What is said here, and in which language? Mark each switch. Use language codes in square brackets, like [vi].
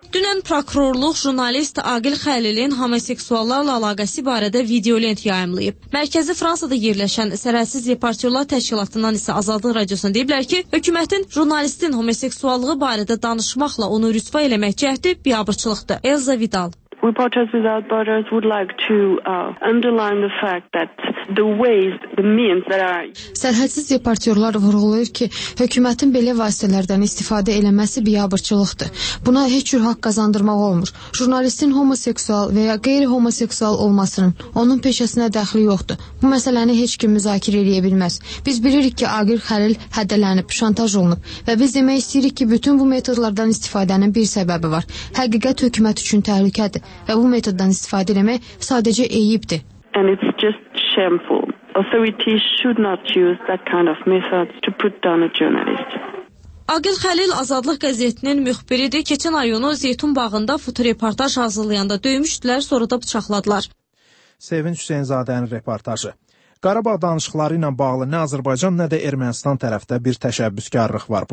[az] Dünən prokurorluq jurnalist Aqil Xəlilin homoseksuallarla əlaqəsi barədə video lent yayımlayıb. Mərkəzi Fransada yerləşən Sərhədsiz Reportyorlar Təşkilatından isə Azadlıq Radiosuna deyiblər ki, hökumətin jurnalistin homoseksuallığı barədə danışmaqla onu rüsva eləmək cəhdi biabırçılıqdır. Elza Vidal. [en] Reporters Without Borders would like to underline the fact that the ways, the means that are... [az] Sərhədsiz reportyorlar vurğulayır ki, hökumətin belə vasitələrdən istifadə eləməsi biabırçılıqdır. Buna heç cür haqq qazandırmaq olmur. Jurnalistin homoseksual və ya qeyri-homoseksual olmasının onun peşəsinə dəxli yoxdur. Bu məsələni heç kim müzakirə eləyə bilməz. Biz bilirik ki, Aqil Xəlil hədələnib, şantaj olunub və biz demək istəyirik ki, bütün bu metodlardan istifadənin bir səbəbi var. Həqiqət hökumət üçün təhlükədir. Və bu metoddan istifadə eləmək sadəcə eyibdir. [en] And it's just shameful. Authorities should not use that kind of method to put down a journalist. [az] Aqil Xəlil Azadlıq qəzetinin müxbiridir. Keçən ay onu Zeytun bağında fotoreportaj hazırlayanda döymüşdülər, sonra da bıçaqladılar. Sevinç Hüseynzadənin reportajı. Qarabağ danışıqları ilə bağlı nə Azərbaycan, nə də Ermənistan tərəfdə bir təşəbbüskarlıq var.